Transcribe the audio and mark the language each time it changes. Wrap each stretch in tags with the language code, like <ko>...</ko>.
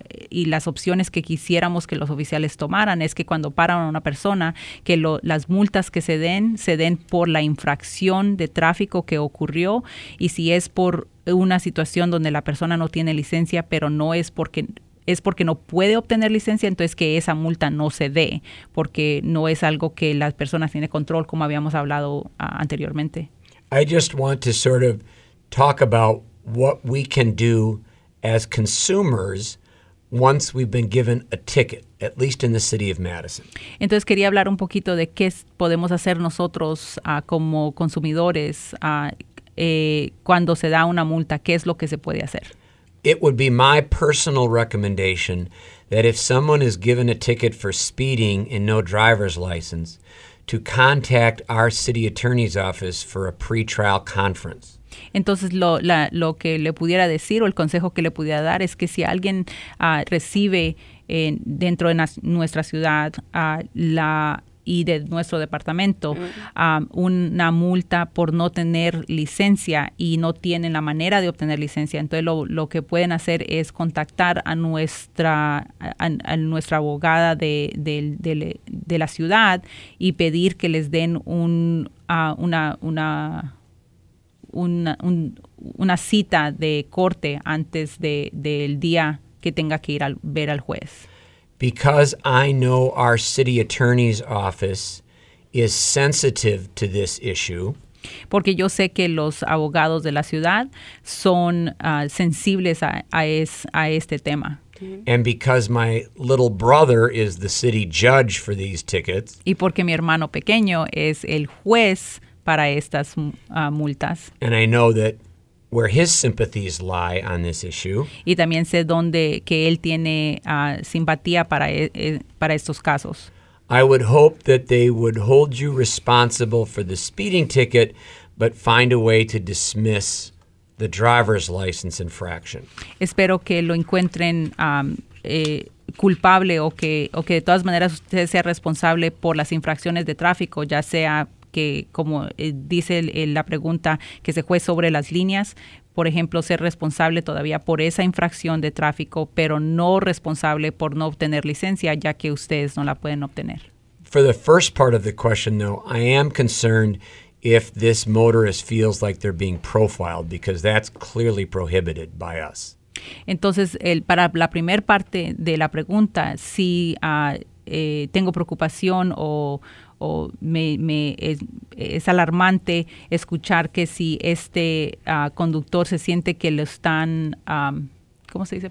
<es>y las opciones que quisiéramos que los oficiales tomaran es que cuando paran a una persona, que las multas que se den por la infracción de tráfico que ocurrió y si es por una situación donde la persona no tiene licencia, pero no es porque no puede obtener licencia, entonces que esa multa no se dé, porque no es algo que las personas tienen control, como habíamos hablado anteriormente.</es> <en>I just want to sort of talk about what we can do as consumers once we've been given a ticket, at least in the city of Madison.</en> <es>Entonces quería hablar un poquito de qué podemos hacer nosotros como consumidores cuando se da una multa, ¿qué es lo que se puede hacer?</es> <en>It would be my personal recommendation that if someone is given a ticket for speeding and no driver's license, to contact our city attorney's office for a pretrial conference.</en> <es>Entonces, lo que le pudiera decir o el consejo que le pudiera dar es que si alguien recibe dentro de nuestra ciudad la y de nuestro departamento una multa por no tener licencia y no tienen la manera de obtener licencia. Entonces, lo que pueden hacer es contactar a nuestra abogada de la ciudad y pedir que les den una una cita de corte antes del día que tenga que ir a ver al juez.</es> <en>Because I know our city attorney's office is sensitive to this issue.</en> <es>Porque yo sé que los abogados de la ciudad son sensibles a este tema.</es> <en>And because my little brother is the city judge for these tickets.</en> <es>Y porque mi hermano pequeño es el juez para estas multas.</es> <en>And I know that where his sympathies lie on this issue.</en> <es>Y también sé dónde que él tiene simpatía para estos casos.</es> <en>I would hope that they would hold you responsible for the speeding ticket, but find a way to dismiss the driver's license infraction.</en> <es>Espero que lo encuentren culpable o que de todas maneras usted sea responsable por las infracciones de tráfico, ya sea que, como dice la pregunta, que se juegue sobre las líneas, por ejemplo, ser responsable todavía por esa infracción de tráfico, pero no responsable por no obtener licencia, ya que ustedes no la pueden obtener.</es> <en>For the first part of the question, though, I am concerned if this motorist feels like they're being profiled, because that's clearly prohibited by us.</en> <es>Entonces, para la primer parte de la pregunta, si tengo preocupación o me es alarmante escuchar que si este conductor se siente que lo están ¿cómo se dice?</es>